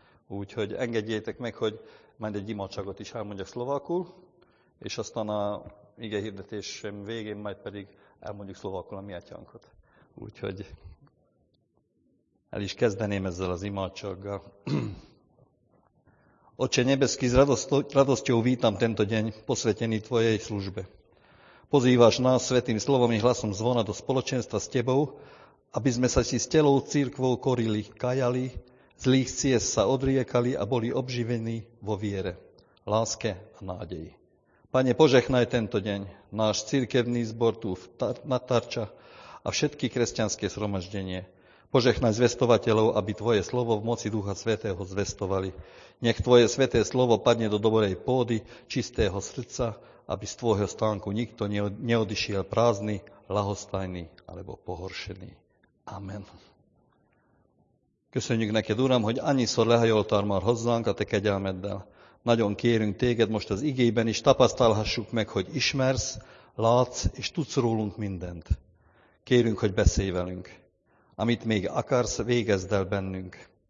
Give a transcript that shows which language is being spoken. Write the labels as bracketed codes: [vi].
[hu] Úgyhogy engedjétek meg, hogy majd egy imádságot is elmondjak szlovákul, és aztán a ige hirdetésem végén majd pedig elmondjuk szlovákul a mi atyánkot. Úgyhogy el is kezdeném ezzel az imádsággal. [sk] Otče nebeský, s radosťou vítam tento deň posvetený Tvojej službe. Pozýváš nás svätým slovom i hlasom zvona do spoločenstva s Tebou, aby sme sa si s telou cirkvou korili, kajali, zlých ciest sa odriekali a boli obživení vo viere, láske a nádeji. Pane, požehnaj tento deň, náš cirkevný zbor tu na Tarča a všetky kresťanské zhromaždenie. Požehnaj zvestovateľov, aby Tvoje slovo v moci Ducha Svätého zvestovali. Nech Tvoje sväté slovo padne do dobrej pôdy, čistého srdca, aby z Tvojho stánku nikto neodišiel prázdny, lahostajný alebo pohoršený. Amen. [hu] Köszönjük neked, Uram, hogy annyiszor lehajoltál már hozzánk a te kegyelmeddel. Nagyon kérünk téged most az igében is, tapasztalhassuk meg, hogy ismersz, látsz és tudsz rólunk mindent. Kérünk, hogy beszélj velünk. Amit még akarsz, végezd el bennünk.